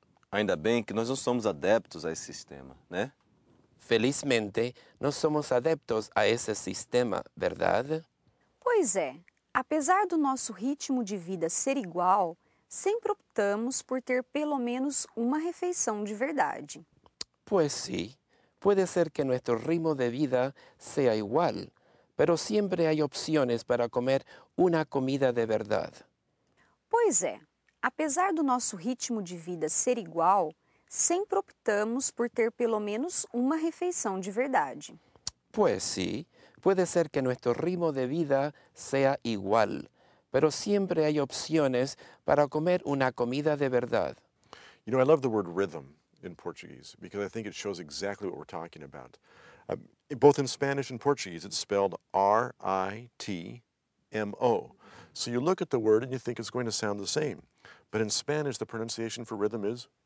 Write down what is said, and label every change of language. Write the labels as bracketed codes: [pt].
[pt] Ainda bem que nós não somos adeptos a esse sistema, né? Felizmente, nós somos adeptos a esse sistema, verdade? Pois é. Apesar do nosso ritmo de vida ser igual, sempre optamos por ter pelo menos uma refeição de verdade. Pois sim. [es] Puede ser que nuestro ritmo de vida sea igual, pero siempre hay opciones para comer una comida de verdad. [pt] Pois é. Apesar do nosso ritmo de vida ser igual, sempre optamos por ter pelo menos uma refeição de verdade. [es] Pues sí. Puede ser que nuestro ritmo de vida sea igual, pero siempre hay opciones para comer una comida de verdad. [en] You know, I love the word rhythm in Portuguese, because I think it shows exactly what we're talking about. Both in Spanish and Portuguese, it's spelled R-I-T-M-O. So you look at the word and you think it's going to sound the same. But in Spanish, the pronunciation for rhythm is?